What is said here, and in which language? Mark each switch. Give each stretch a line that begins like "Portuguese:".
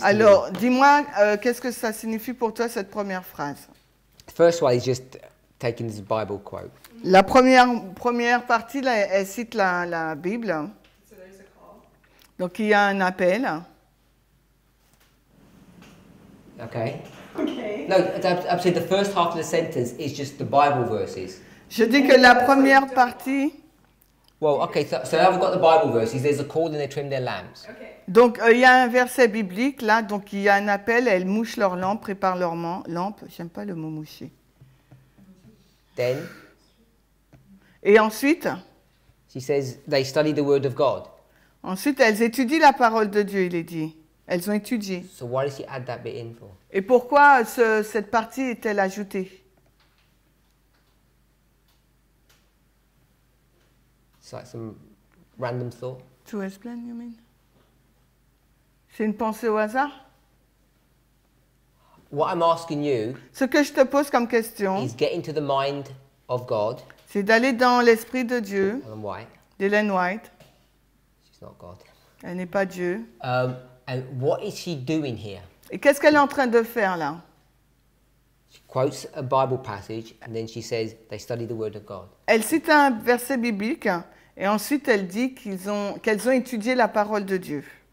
French: Alors, dis-moi qu'est-ce que ça signifie pour toi cette première phrase.
English: The first one is just taking this Bible quote.
French: La première partie là, elle cite la Bible.
English: So there's a call.
French: Donc il y a un appel.
English: Okay. Okay. No, actually, the first half of the sentence is just the Bible verses.
French: Je dis que la première partie.
English: Well, okay, so I've got the Bible verses. There's a call and they trim their lamps. Okay.
French: Donc, il y a un verset biblique, là. Donc, il y a un appel. Elles mouchent leurs lampes, préparent leurs lampes. J'aime pas le mot moucher.
English: Then?
French: Et ensuite?
English: She says, they study the word of God.
French: Ensuite, elles étudient la parole de Dieu, il est dit. Elles ont étudié.
English: So why did she add that bit in for?
French: Et pourquoi cette partie est-elle ajoutée?
English: It's like some random thought. To explain, you mean?
French: C'est une pensée au hasard?
English: What I'm asking you,
French: ce que je te pose comme question,
English: is getting to the mind of God.
French: C'est d'aller dans l'esprit de Dieu.
English: Ellen White.
French: D'Ellen White.
English: She's not God.
French: Elle n'est pas Dieu.
English: And what is she doing here?
French: Et qu'est-ce qu'elle est en train de faire là?
English: She quotes a Bible passage and then she says they study the word of God.
French: Elle cite un verset biblique et ensuite elle dit qu'elles ont étudié la parole de Dieu.